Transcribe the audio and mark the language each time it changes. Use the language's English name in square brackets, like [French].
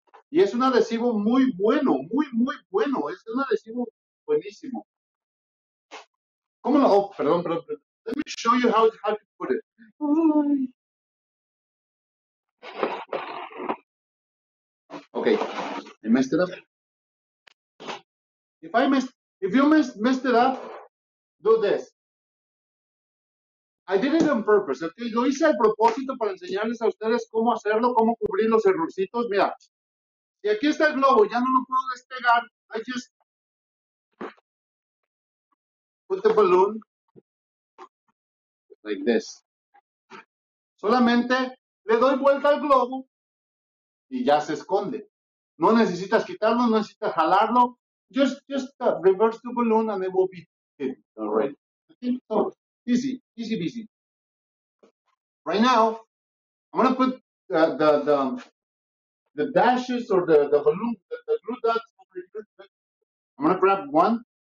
[Spanish] Y es un adhesivo muy bueno, muy, muy bueno. Es un adhesivo buenísimo. ¿Cómo lo...? Oh, perdón. [English] Let me show you how to put it. Okay. I messed it up. If you messed it up, do this. I did it on purpose, okay? [Spanish] Lo hice al propósito para enseñarles a ustedes cómo hacerlo, cómo cubrir los errorcitos. Mira. Y aquí está el globo, ya no lo puedo despegar. [English] I just put the balloon like this. [Spanish] Solamente le doy vuelta al globo y ya se esconde. No necesitas quitarlo, no necesitas jalarlo. [English] Just reverse the balloon and it will be hidden already. Okay. So, Easy peasy. Right now, I'm gonna put the dashes or the balloon, the glue dots over here. I'm gonna grab one.